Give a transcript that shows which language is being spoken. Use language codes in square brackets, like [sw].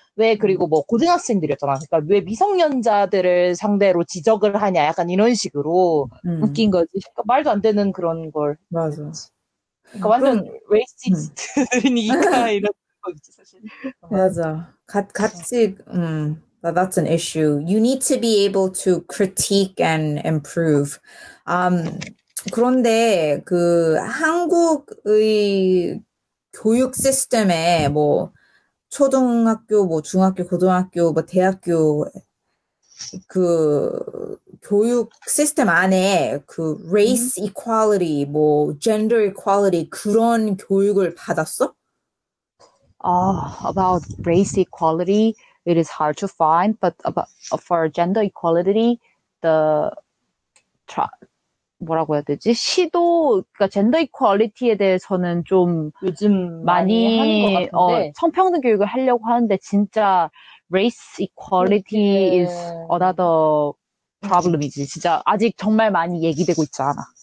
[ko] 왜, 그리고 뭐, 고등학생들이었잖아. 그러니까 왜 미성년자들을 상대로 지적을 하냐. 약간 이런 식으로. 웃긴 거지. 그러니까 말도 안 되는 그런 걸 맞아. 했지. 그러니까 완전 그럼 레이시스트들이니까 이런 거지, 사실. 맞아. 같이 [en] that's an issue. You need to be able to critique and improve. [ko] 그런데 그 한국의 교육 시스템에 뭐 초등학교, 뭐 중학교, 고등학교, 뭐 대학교 그 교육 시스템 안에 그 [en] race equality, [ko] 뭐 [en] gender equality [ko] 그런 교육을 받았어? [en] About race equality, it is hard to find, but for gender equality, the [ko] 뭐라고 해야 되지? 시도, 그러니까 젠더 이퀄리티에 대해서는 좀 요즘 많이 하는 것 같은데. 성평등 교육을 하려고 하는데 진짜 race [en] Race equality is another problem 이지. [ko] 진짜 아직 정말 많이 얘기되고 있지 않아.